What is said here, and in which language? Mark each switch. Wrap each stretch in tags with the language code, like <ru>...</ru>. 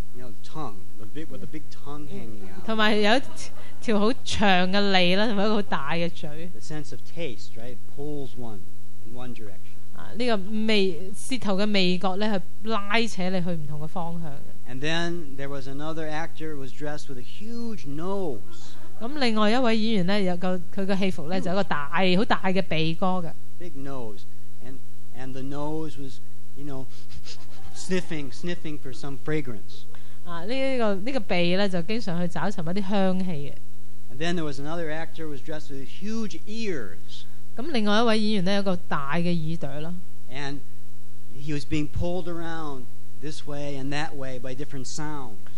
<en>You know, tongue, with a big tongue hanging out.</en> <yue>同埋有一條好長嘅脷啦，同埋一個好大嘅嘴。</yue> <en>The sense of taste, right, pulls one in one direction.</en> <yue>呢個舌頭嘅味覺咧，係拉扯你去唔同嘅方向嘅。</yue> <en>And then there was another actor who was dressed with a huge nose.</en> <yue>咁另外一位演員咧，有個佢嘅戲服咧，就一個大好大嘅鼻哥嘅。</yue> <en>Big nose, and the nose was, you know, sniffing for some fragrance.</en> <yue>呢個鼻咧就經常去找尋一啲香氣嘅。</yue> <en>And then there was another actor who was dressed with huge ears.</en> <yue>咁另外一位演員咧，有個大嘅耳朵啦。</yue> <en>And he was being pulled around this way and that way by different sounds.</en>